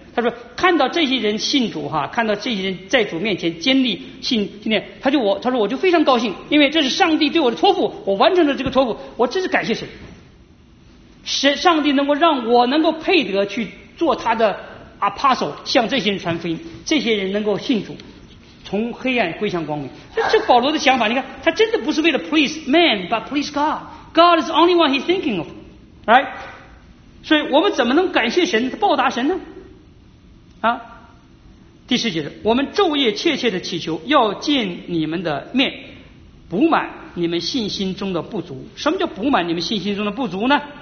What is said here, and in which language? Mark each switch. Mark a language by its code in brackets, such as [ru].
[zh] 他说，看到这些人信主哈，看到这些人在主面前坚立信念，他说我就非常高兴，因为这是上帝对我的托付，我完成了这个托付，我真是感谢神。上帝能够让我能够配得去做他的 apostle， 向这些人传福音，这些人能够信主，从黑暗归向光明。这保罗的想法，你看他真的不是为了 [en] please man， but please God。 God is the only one he's thinking of， right？ [zh] 所以我们怎么能感谢神、报答神呢？啊，第十节，我们昼夜切切的祈求，要见你们的面，补满你们信心中的不足。什么叫补满你们信心中的不足呢？